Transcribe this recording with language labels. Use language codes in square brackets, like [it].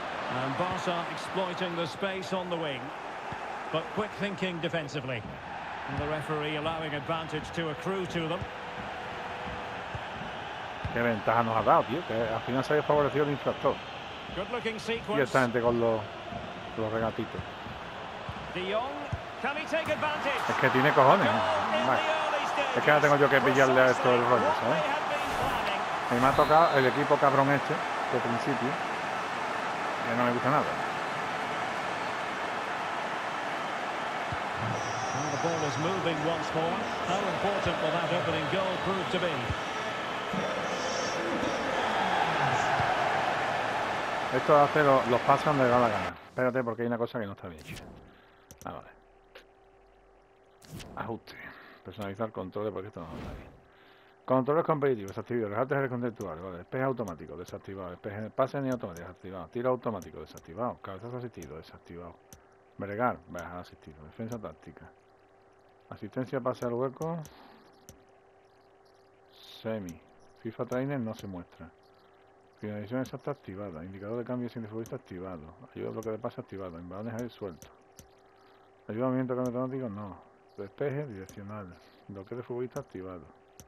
[en] And Barca exploiting the space on the wing, but quick thinking defensively. And the referee allowing advantage to accrue to them. [es] Qué ventaja nos ha dado, tío, que al final se ha favorecido el infractor. [en] Good looking sequence. [es] Y esta gente con los regatitos. [en] De Jong, can he take advantage? [es] Es que tiene cojones, es que no tengo yo que pillarle a esto del rollo, ¿sabes? Y me ha tocado el equipo cabrón este, de principio. No me gusta nada. [en] And the ball is moving once more. How important will that opening goal prove to be? [es] Esto hace los pases donde da la gana. Espérate, porque hay una cosa que no está bien hecha. Ah, vale. Ajuste. Personalizar controles, porque esto no está bien. Controles competitivos, desactivado, dejarte el contextual, vale, despeje automático, desactivado, despeje pase ni automático, desactivado, tiro automático, desactivado, cabezazo asistido, desactivado, bregar, bajar asistido, defensa táctica, asistencia pase al hueco, semi, FIFA trainer no se muestra, finalización exacta activada, indicador de cambio sin futbolista activado, ayuda a bloque de pase activado, invadones ahí suelto, ayuda a movimiento de cambio automático no, despeje direccional, bloque de futbolista activado.